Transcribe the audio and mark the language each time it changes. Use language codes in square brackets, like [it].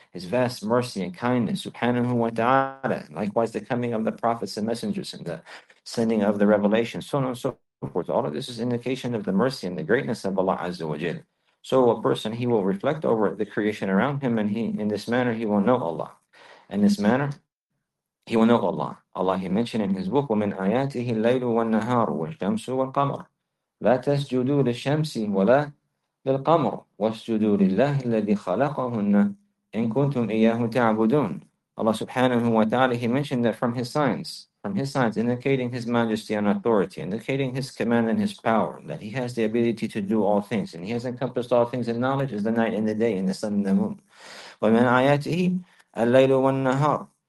[en] His vast mercy and kindness, subhanahu wa ta'ala. Likewise, the coming of the prophets and messengers and the sending of the revelation, so on and so forth. All of this is indication of the mercy and the greatness of Allah Azza wa Jal. So a person, he will reflect over the creation around him, and he, in this manner, he will know Allah. In this manner, he will know Allah. Allah, he mentioned in his book, [ar] وَمِنْ آيَاتِهِ اللَّيْلُ وَالنَّهَارُ وَالشَّمْسُ وَالْقَمَرُ لَا تَسْجُدُوا لِلشَّمْسِ وَلَا لِلْقَمَرُ وَاسْجُدُوا لِلَّهِ الَّذِي خَلَقَهُنَّ إِن كُنتُمْ إِيَّاهُ تَعْبُدُونَ. [en] Allah subhanahu wa ta'ala, he mentioned that from his signs, indicating his majesty and authority, indicating his command and his power, that he has the ability to do all things, and he has encompassed all things in knowledge as the night and the day, and the sun and the moon. [ar] وَمِنْ آيَاتِهِ اللَّيْلُ وَالنَّهَارُ.